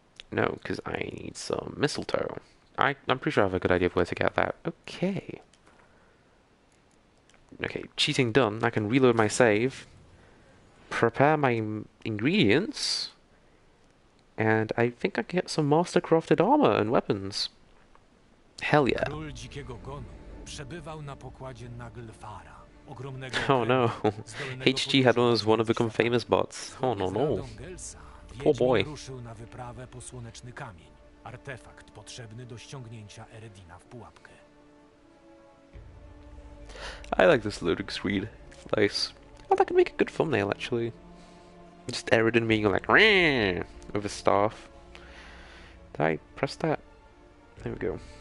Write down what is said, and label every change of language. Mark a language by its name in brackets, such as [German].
[English] No, because I need some mistletoe. I'm pretty sure I have a good idea of where to get that. Okay. Okay, cheating done. I can reload my save, prepare my ingredients, and I think I can get some mastercrafted armor and weapons. Hell yeah. [Polish] Król dzikiego gonu przebywał na pokładzie Naglfara, ogromnego. [English] Oh no. HG had one of the famous bots. Oh no. Poor boy. [Polish] Ruszył na wyprawę po słoneczny kamień, artefakt potrzebny do ściągnięcia Eredina w pułapkę. [English] I like this loading screen. Nice. Oh, that could make a good thumbnail, actually. Just Eridan being like, with a staff. Did I press that? There we go.